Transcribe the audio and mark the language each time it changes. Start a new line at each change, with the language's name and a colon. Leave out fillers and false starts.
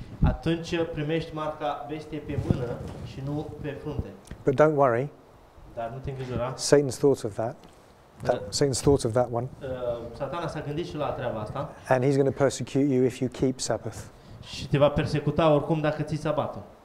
Romanian: Atunci primești marca bestiei pe mână și nu pe frunte.
English: But don't worry.
Romanian: Dar nu te îngrijora.
English: Satan's thought of that. Satan's thought of that one.
Romanian: Satana s-a gândit și la treaba asta.
English: And he's going to persecute you if you keep Sabbath.
Romanian: Și te va persecuta oricum dacă ții sabatul.